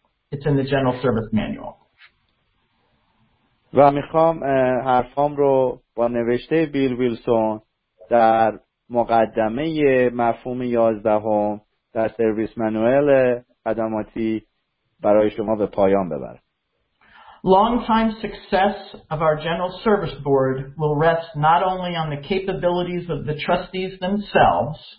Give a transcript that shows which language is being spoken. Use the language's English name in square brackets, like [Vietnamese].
[English] It's in the General Service Manual. [Persian] و میخوام حرفام رو با نوشته بیل ویلسون در مقدمه مفهوم 11 در سرویس مانوئل خدماتی برای شما به پایان ببرم. [English] Long-time success of our General Service Board will rest not only on the capabilities of the trustees themselves.